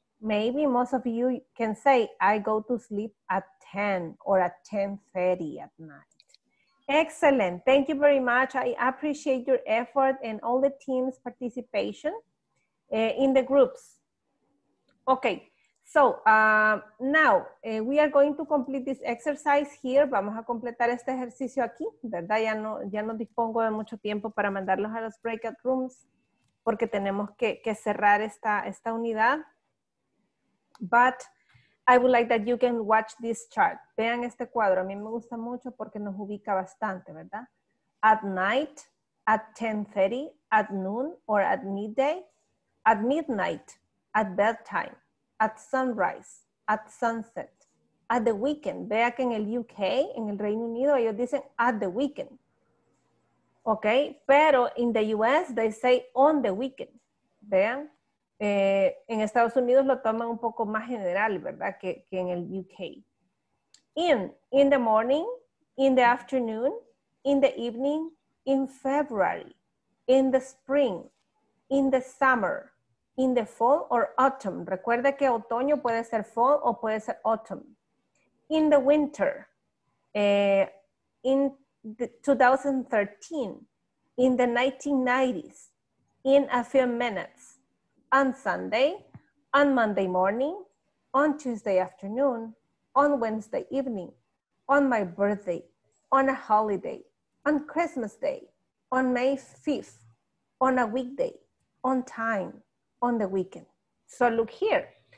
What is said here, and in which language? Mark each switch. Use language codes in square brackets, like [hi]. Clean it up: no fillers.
[en] Maybe most of you can say, I go to sleep at 10 or at 10:30 at night. Excellent. Thank you very much. I appreciate your effort and all the team's participation in the groups. Okay. So, now, we are going to complete this exercise here. [es] Vamos a completar este ejercicio aquí, ¿verdad? Ya no dispongo de mucho tiempo para mandarlos a los breakout rooms porque tenemos que cerrar esta unidad. [en] But I would like that you can watch this chart. [es] Vean este cuadro. A mí me gusta mucho porque nos ubica bastante, ¿verdad? [en] At night, at 10:30, at noon, or at midday, at midnight, at bedtime, at sunrise, at sunset, at the weekend. [es] Vea que en el UK, en el Reino Unido, ellos dicen [en] at the weekend. [es] Okay? Pero [en] in the US, they say on the weekend. [es] Vean. En Estados Unidos lo toman un poco más general, ¿verdad? Que en el UK. [en] In the morning, in the afternoon, in the evening, in February, in the spring, in the summer, in the fall or autumn. [es] Recuerde que otoño puede ser fall o puede ser autumn. [en] In the winter, in the 2013, in the 1990s, in a few minutes, on Sunday, on Monday morning, on Tuesday afternoon, on Wednesday evening, on my birthday, on a holiday, on Christmas Day, on May 5th, on a weekday, on time, on the weekend. So look here.